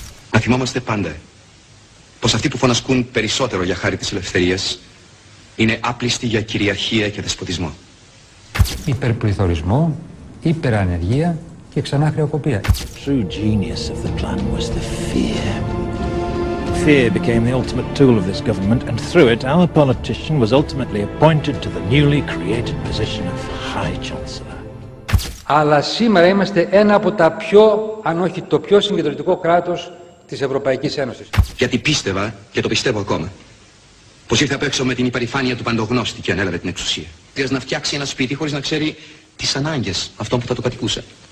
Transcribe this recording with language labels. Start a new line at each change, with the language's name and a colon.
Greek: Να θυμόμαστε πάντα πως αυτοί που φωνασκούν περισσότερο για χάρη της ελευθερίας είναι άπλιστοι για κυριαρχία και δεσποτισμό. Υπερπληθωρισμό, υπερανεργία και ξανά χρεοκοπία.
English: True genius of the plan was the fear. Fear became the ultimate tool of this government, and through it, our politician was ultimately appointed to the newly created position of High Chancellor.
Greek: Αλλά σήμερα είμαστε ένα από τα πιο, αν όχι το πιο συγκεντρωτικό κράτος της Ευρωπαϊκής Ένωσης. Γιατί πίστευα, και το πιστεύω ακόμα, πως ήρθε απ' έξω με την υπερηφάνεια του παντογνώστη και ανέλαβε την εξουσία. Για να φτιάξει ένα σπίτι χωρίς να ξέρει τις ανάγκες αυτών που θα το κατοικούσε.